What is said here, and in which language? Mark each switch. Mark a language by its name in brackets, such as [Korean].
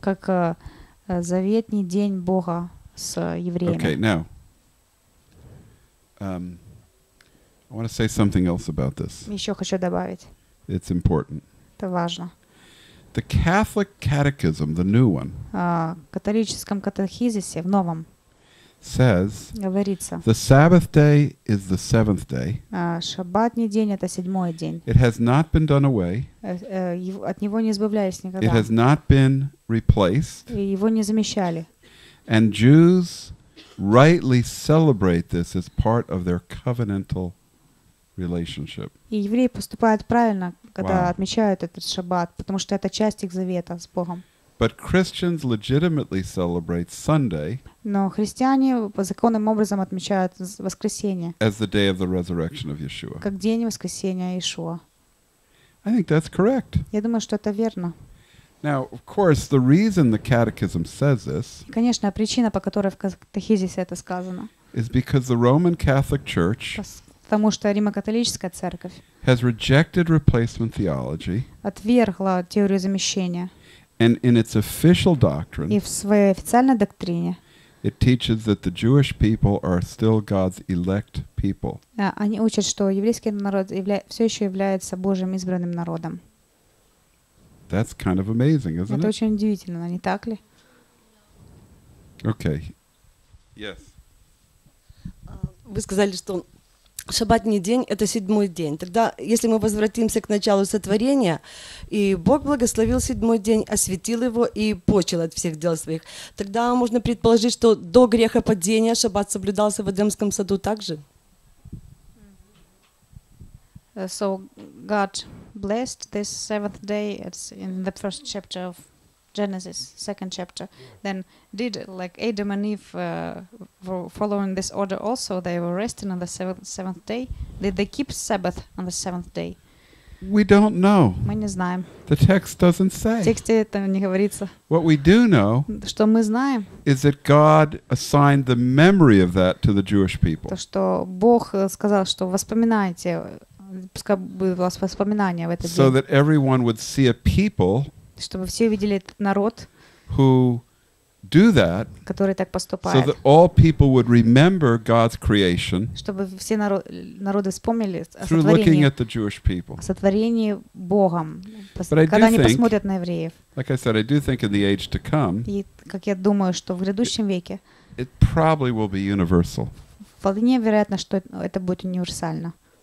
[Russian] Как заветный день Бога с евреями. [English] Okay, now, I want to say something else about this. [Russian] Еще хочу добавить. [English] It's important. [Russian] Это важно. [English] The Catholic Catechism, the new one, [Russian] католическом катехизисе, в новом, [English] says, [Russian] говорится, [English] the Sabbath day is the seventh day. [Russian] Шаббатный день — это седьмой день. [English] It has not been done away. [Russian] От него не избавлялись никогда. [English] It has not been replaced. [Russian] И его не замещали. [English] And Jews rightly celebrate this as part of their covenantal relationship. [Russian] И евреи поступают правильно, когда отмечают этот шаббат, потому что это часть их завета с Богом. [English] But Christians legitimately celebrate Sunday. [Russian] Но христиане по законным образом отмечают воскресенье. [English] As the day of the resurrection of Yeshua. [Russian] Как день воскресения Иешуа. [English] I think that's correct. [Russian] Я думаю, что это верно. [English] Now, of course, the reason the catechism says this. [Russian] Конечно, причина, по которой в катехизисе это сказано. [English] Is because the Roman Catholic Church. [Russian] Потому что Римо-католическая церковь [English] has rejected replacement theology, [Russian] отвергла теорию замещения, [English] and in its official doctrine, [Russian] и в своей официальной доктрине, [English] it teaches that the Jewish people are still God's elect people. [Russian] Они учат, что еврейский народ все еще является Божьим избранным народом. [English] That's kind of amazing, isn't [Russian] it? Это очень удивительно, не так ли? [English] Okay. Yes. [Russian] Вы сказали, что шаббатный день — это седьмой день. Тогда, если мы возвратимся к началу сотворения, и Бог благословил седьмой день, освятил его и почил от всех дел своих, тогда можно предположить, что до грехопадения шаббат соблюдался в Эдемском саду также? [English] So God blessed this seventh day. It's in the first chapter of Genesis, second chapter. Then did like Adam and Eve were following this order also? They were resting on the seventh day. Did they keep Sabbath on the seventh day? We don't know. [Russian] Мы не знаем. [English] The text doesn't say. [Russian] В тексте это не говорится. [English] What we do know, [Russian] что мы знаем, [English] is that God assigned the memory of that to the Jewish people. [Russian] То, что Бог сказал, что воспоминайте, пускай будет у вас воспоминание в этот день. [English] So that everyone would see a people, [Russian] чтобы все увидели этот народ, [English] who do that, [Russian] который так поступает. [English] So that all people would remember God's creation, [Russian] чтобы все народы вспомнили о [English] through looking at the Jewish people. [Russian] О сотворении Богом, когда они посмотрят на евреев. [English] Like I said, I do think in the age to come, [Russian] и как я думаю, что в грядущем веке, [English] it probably will be universal. [Russian] Вполне вероятно, что это будет универсально.